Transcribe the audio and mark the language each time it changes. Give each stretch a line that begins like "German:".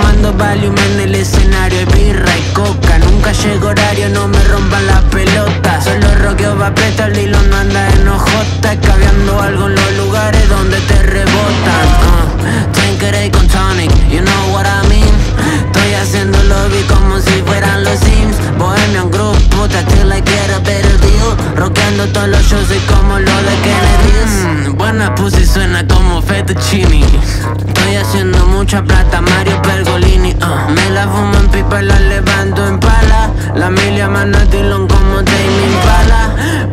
Spanish: Valium en el escenario, es birra y coca. Nunca llego horario, no me rompan las pelotas. Solo roqueo va presto, el hilo no anda en OJ. Cabeando algo en los lugares donde te rebotan. Tanker ahí con Tonic,
English: you know what I mean.
Spanish: Estoy haciendo lobby como si fueran los Sims.
English: Bohemian Group, puta, still I get a better deal.
Spanish: Roqueando todos los shows, soy como lo de Kennedy. Buena pussy, suena como Fettuccini. Estoy haciendo mucha plata, Mario Pergolini. Me la fumo en pipa y la levanto en pala. La milia mano a Dillon como Tame Impala.